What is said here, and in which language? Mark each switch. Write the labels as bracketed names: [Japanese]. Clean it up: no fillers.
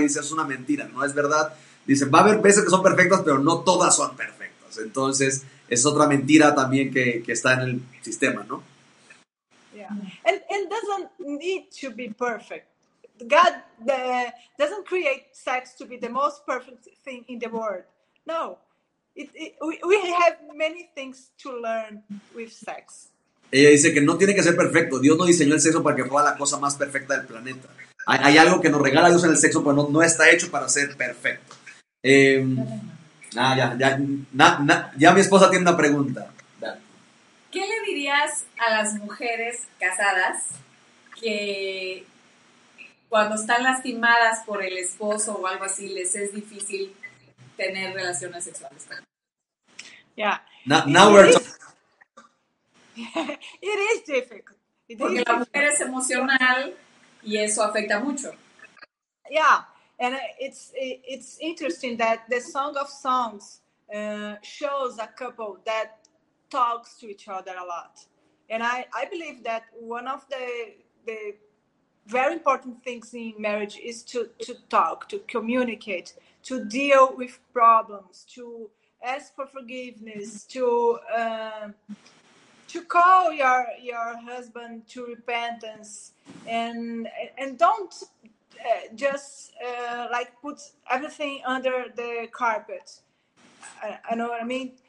[Spanish] Y dice, es una mentira, no es verdad. Dice, va a haber veces que son perfectas, pero no todas son perfectas. Entonces, es otra mentira también que está en el sistema, ¿no? [English] Yeah. And doesn't need to be perfect. God doesn't create sex to be the most perfect thing in the world. No. We have many things to learn with sex. [Spanish] Ella dice que no tiene que ser perfecto. Dios no diseñó el sexo para que fuera la cosa más perfecta del planeta. Hay algo que nos regala Dios en el sexo, pero no está hecho para ser perfecto. Ya mi esposa tiene una pregunta. Dale. ¿Qué le dirías a las mujeres casadas que cuando están lastimadas por el esposo o algo así les es difícil tener relaciones sexuales? [English] Yeah. It is difficult. [Spanish] Porque la mujer es emocional y eso afecta mucho. [English] Yeah, and it's interesting that the Song of Songs shows a couple that talks to each other a lot. And I believe that one of the very important things in marriage is to talk, to communicate, to deal with problems, to ask for forgiveness, to call your husband to repentance, and don't just like put everything under the carpet. I know what I mean.